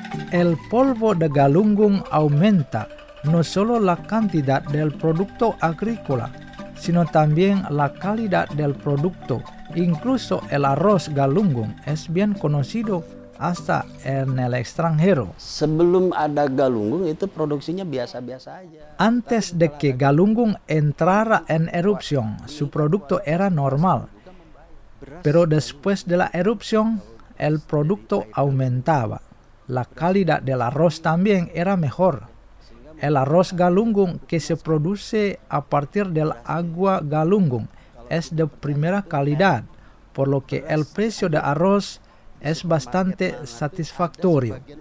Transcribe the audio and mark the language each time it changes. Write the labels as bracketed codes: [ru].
[es] El polvo de Galunggung aumenta no solo la cantidad del producto agrícola, sino también la calidad del producto. Incluso el arroz Galunggung es bien conocido hasta en el extranjero. [id] Sebelum ada Galunggung itu produksinya biasa-biasa aja. [es] Antes de que Galunggung entrara en erupción, su producto era normal. Pero después de la erupción, el producto aumentaba. La calidad del arroz también era mejor. El arroz Galunggung que se produce a partir del agua Galunggung es de primera calidad, por lo que el precio de arroz es bastante satisfactorio.